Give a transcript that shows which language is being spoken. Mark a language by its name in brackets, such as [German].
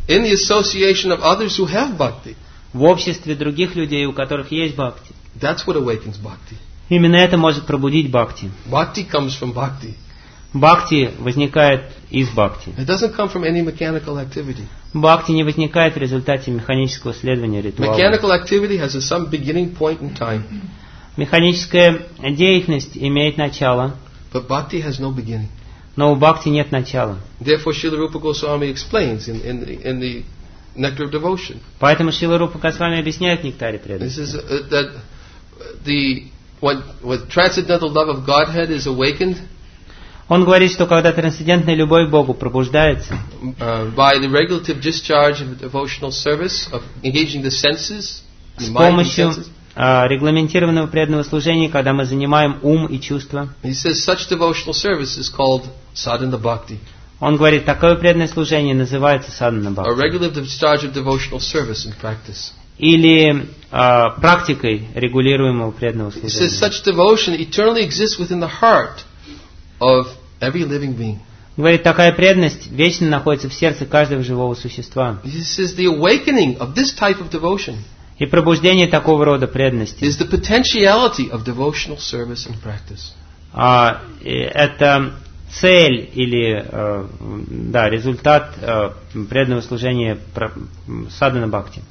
[English] In the association of others who have bhakti. [Russian] В обществе других людей, у которых есть бхакти. [English] That's what awakens bhakti. [Russian] Именно это может пробудить бхакти. [English] Bhakti comes from bhakti. [Russian] Бхакти возникает из бхакти. [English] It doesn't come from any mechanical activity. [Russian] Бхакти не возникает в результате механического следования ритуала. [English] Mechanical activity has some beginning point in time. [Russian] Механическая деятельность имеет начало. [English] But bhakti has no beginning. [Russian] Но у бхакти нет начала. [English] Therefore, Srila Rupa Goswami explains in the Nectar of Devotion. [Russian] Поэтому Шрила Рупа Госвами объясняет в Нектаре преданности. [English] This is that the When transcendental love of Godhead is awakened, [Russian] он говорит, что когда трансцендентная любовь к Богу пробуждается, [English] by the regulative discharge of devotional service of engaging the senses, [Russian] с помощью [English] the mind and senses, [Russian] регламентированного преданного служения, когда мы занимаем ум и чувства. [English] He says such devotional service is called sadhana bhakti. [Russian] Он говорит, такое преданное служение называется садхана бхакти. [English] A regular discharge of devotional service in practice. [Russian] Или практикой регулируемого преданного служения. [English] He says such devotion eternally exists within the heart of every living being. [Russian] Говорит, такая преданность вечно находится в сердце каждого живого существа. [English] This is the awakening of this type of devotion. [Russian] И пробуждение такого рода преданности. [English] Is the potentiality of devotional service and practice. [Russian] Это цель или да, результат преданного служения садхана бхакти.